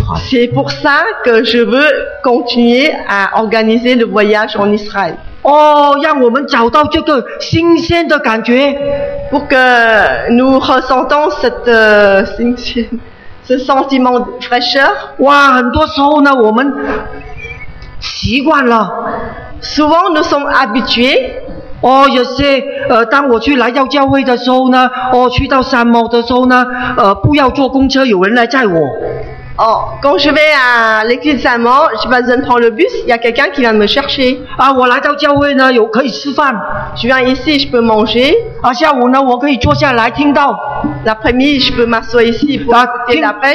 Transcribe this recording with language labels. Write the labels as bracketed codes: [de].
[fr] C'est pour ça que je veux continuer à organiser le voyage en Israël. Pour que nous ressentons cette ce sentiment de fraîcheur. [zh] 哇，很多时候呢，我们习惯了。 [fr] Souvent nous sommes habitués. [zh] 哦，有些，当我去来到教会的时候呢，哦，去到山摩的时候呢，不要坐公车，有人来载我。 [fr] 哦， quand je vais à l'église Saint-Maur, j'ai besoin de prendre le bus, il y a quelqu'un qui vient me chercher. [zh] 啊，我来到教会呢，有可以吃饭。 [fr] Je viens ici, je peux manger. [zh] 啊，下午呢，我可以坐下来听到。 [fr] L'après-midi, je peux m'asseoir ici pour écouter la prêche.